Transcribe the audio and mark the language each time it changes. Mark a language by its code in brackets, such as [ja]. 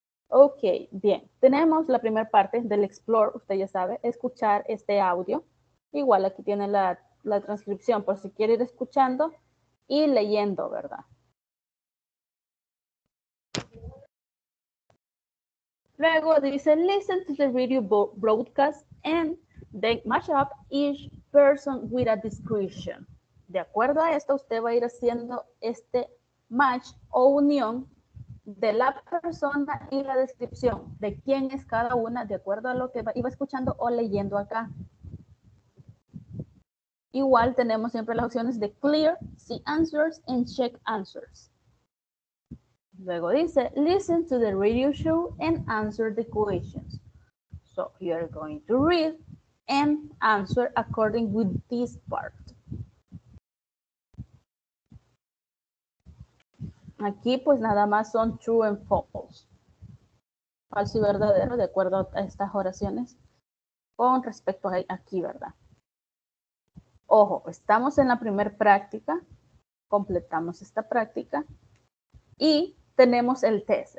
[es] Ok, bien. Tenemos la primera parte del explore, usted ya sabe, escuchar este audio. Igual aquí tiene la transcripción por si quiere ir escuchando y leyendo, ¿verdad? Luego dice, [en] listen to the video broadcast and then match up each person with a description. [es] De acuerdo a esto, usted va a ir haciendo este match o unión de la persona y la descripción de quién es cada una de acuerdo a lo que iba escuchando o leyendo acá. Igual tenemos siempre las opciones de [en] clear, see answers, and check answers. [es] Luego dice, [en] listen to the radio show and answer the questions. So you're going to read and answer according with this part. [es] Aquí, pues, nada más son [en] true and false. [es] Falso y verdadero, de acuerdo a estas oraciones. Con respecto a aquí, ¿verdad? Ojo, estamos en la primera práctica. Completamos esta práctica. Y tenemos el test.